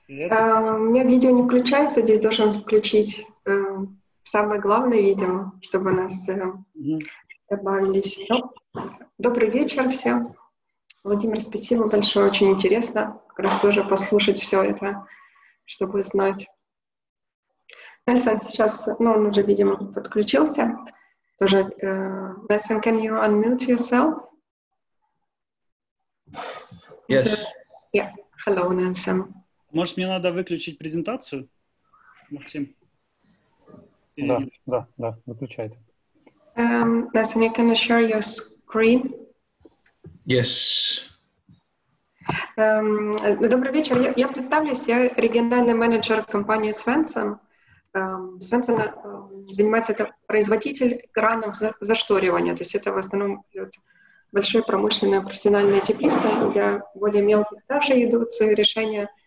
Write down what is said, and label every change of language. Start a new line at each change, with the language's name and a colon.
Russian: А, у меня видео не включается, здесь должен включить самое главное видео, чтобы у нас добавились. Ну, добрый вечер всем. Владимир, спасибо большое, очень интересно как раз тоже послушать все это, чтобы знать. Нельсон сейчас, ну, он уже, видимо, подключился. Тоже, Нельсон,
English: can you unmute yourself? Yes. So, yeah. Hello, Nelson.
Russian: Может, мне надо выключить презентацию, Максим? Да, да, да, выключайте.
English: Nelson, you can share your screen? Yes.
Russian: Добрый вечер. Я представлюсь, я региональный менеджер компании Svensson. Svensson занимается, это производитель экранов зашторивания, то есть это в основном идет большие промышленные профессиональные теплицы, для более мелких даже идут решения.